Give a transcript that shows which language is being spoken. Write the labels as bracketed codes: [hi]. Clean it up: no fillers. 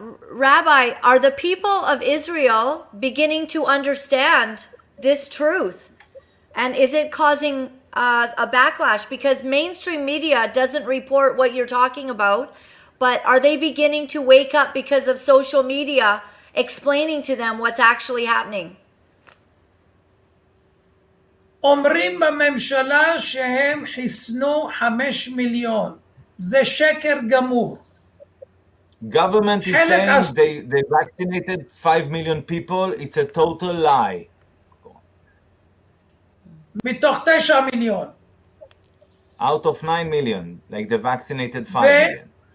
[en] Rabbi, are the people of Israel beginning to understand this truth? And is it causing a backlash? Because mainstream media doesn't report what you're talking about, but are they beginning to wake up because of social media explaining to them what's actually happening? [he] אומרים בממשלה שהם חיסנו 5 מיליון. זה שקר גמור. [en] Government is saying they vaccinated 5 million people. It's a total lie. [he] מתוך 9 מיליון. [en] Out of 9 million, like they vaccinated 5 million.